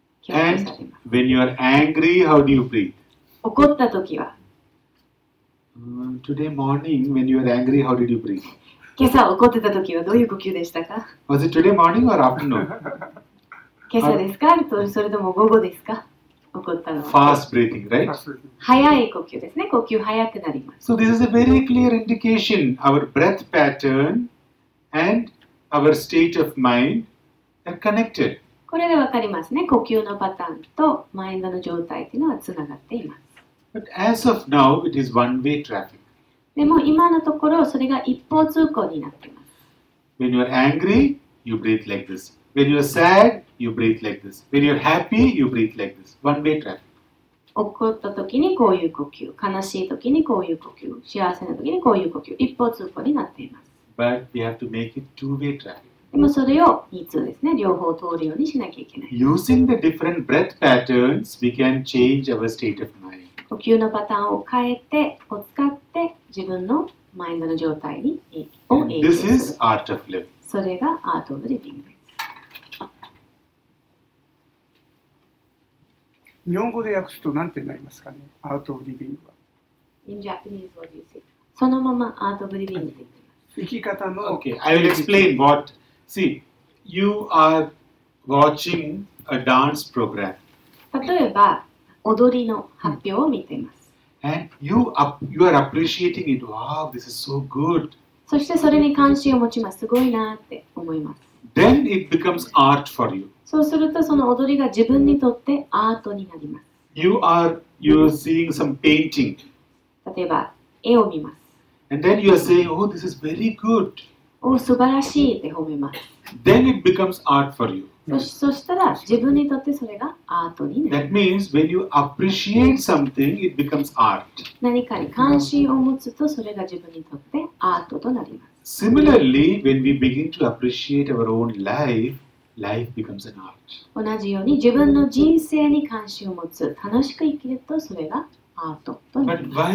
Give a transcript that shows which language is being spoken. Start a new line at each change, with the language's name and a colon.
English: And when you are angry, how do you breathe?
Japanese: 怒ったときは
English: Today morning, when you are angry, how did you breathe?
Japanese: 今朝怒ってたときはどういう呼吸でしたか？
English: Was it today morning or afternoon?
Japanese: 今朝ですか？それとも午後ですか？怒ったのは
English: Fast breathing, right?
Japanese: 早い呼吸ですね。呼吸早くなります。
English: So this is a very clear indication. Our breath pattern and our state of mind are connected.
Japanese: これでわかりますね。呼吸のパターンとマインドの状態というのはつながっています。
English: But as of now, it is one-way traffic.
Japanese: でも今のところそれが一方通行になっています。
English: When you are angry, you breathe like this. When you are sad, you breathe like this. When you are happy, you breathe like this. One-way traffic.
Japanese: 怒った時にこういう呼吸、悲しい時にこういう呼吸、幸せな時にこういう呼吸、一方通行になっています。
English: But we have to make it two-way traffic.
Japanese: でもそれを2つですね、両方通るようにしなきゃいけない。
English: Using the different breath patterns, we can change our state of mind.
Japanese: 呼吸のパターンを変えて、を使って自分のマインドの状態に影響する。
English: And、this is art of living.
Japanese: それが art of living. 日本語で訳すと何てなりますかね、art of living は。
English: In Japanese, what do you say?
Japanese: そのまま art of living って言ってます。生き方の。
English: Okay, I will explain what. See, you are watching a dance program.
Japanese: 例えば、踊りの発表を見ています。
English: And you are appreciating it. Wow, this is so good.
Japanese: そしてそれに関心を持ちます。すごいなって思います。
English: Then it becomes art for you.
Japanese: そうするとその踊りが自分にとってアートになります。
English: You are seeing some painting.
Japanese: 例えば、絵を見ます。
English: And then you are saying, oh, this is very good.
Japanese: お素晴らしいって褒めます。
English: Then it becomes art for you.
Japanese: そしたら自分にとってそれがアートになる。
English: That means when you appreciate something, it becomes art.
Japanese: 何かに関心を持つとそれが自分にとってアートとなります。
English: Similarly, when we begin to appreciate our own life, life becomes an art.
Japanese: 同じように自分の人生に関心を持つ、楽しく生きるとそれがアートとなります。